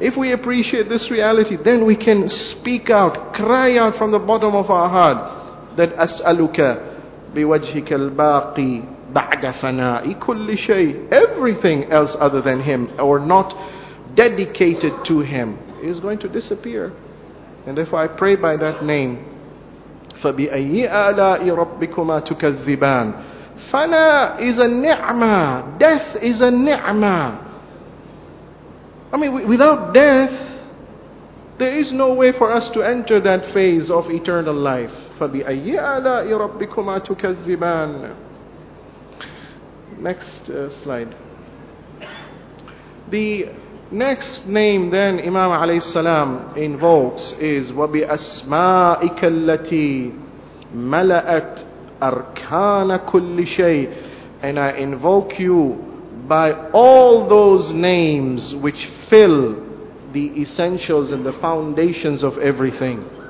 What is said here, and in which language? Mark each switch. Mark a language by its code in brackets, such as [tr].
[en] If we appreciate this reality, then we can speak out, cry out from the bottom of our heart, that [ar] as'aluka biwajhika al-baqi ba'da fana'i kulli shay. [en] Everything else other than Him, or not dedicated to Him, is going to disappear. And therefore I pray by that name, [ar] فَبِأَيِّ آلَاءِ رَبِّكُمَا تُكَذِّبَانِ فَلَا [en] is a ni'mah. Death is a ni'mah. I mean, without death, there is no way for us to enter that phase of eternal life. [ar] فَبِأَيِّ آلَاءِ رَبِّكُمَا تُكَذِّبَانِ [en] Next slide. The next name then Imam alayhi salam invokes is [ar] وَبِأَسْمَائِكَ الَّتِي مَلَأَتْ أَرْكَانَ كُلِّ شَيْءٍ [en] And I invoke you by all those names which fill the essentials and the foundations of everything.